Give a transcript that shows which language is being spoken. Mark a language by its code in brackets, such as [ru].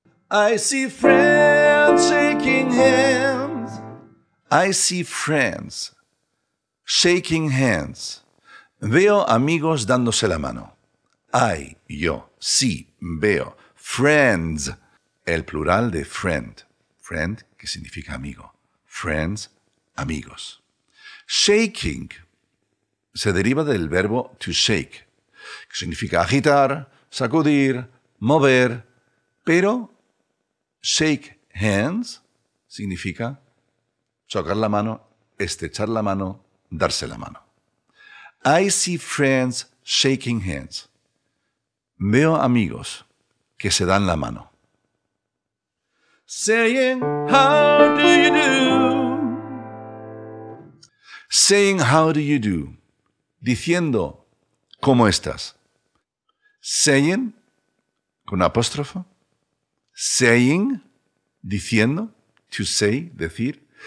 [en] I see friends shaking hands. I see friends shaking hands. [es] Veo amigos dándose la mano. [en] I, yo, see, veo. Friends. [es] El plural de friend. Friend, que significa amigo. Friends, amigos. Shaking se deriva del verbo to shake, que significa agitar, sacudir, mover, pero shake hands significa chocar la mano, estrechar la mano, darse la mano. [en] I see friends shaking hands. [es] Veo amigos que se dan la mano. [en] Saying, how do you do? Saying, how do you do? [es] Diciendo, ¿cómo estás? Saying, con apóstrofo. Saying, diciendo, to say, decir.